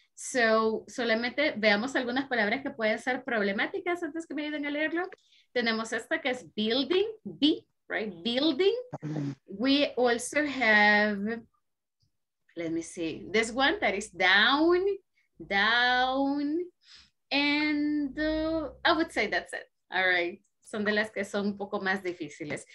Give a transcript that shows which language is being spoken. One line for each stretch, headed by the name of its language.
Spanish: So, solamente veamos algunas palabras que pueden ser problemáticas antes que me ayuden a leerlo. Tenemos esta que es building, B, right? Building.
English: We also have, let me see, this one that is down, down. And I would say that's it.
Spanish: All right, son de las que son un poco más difíciles.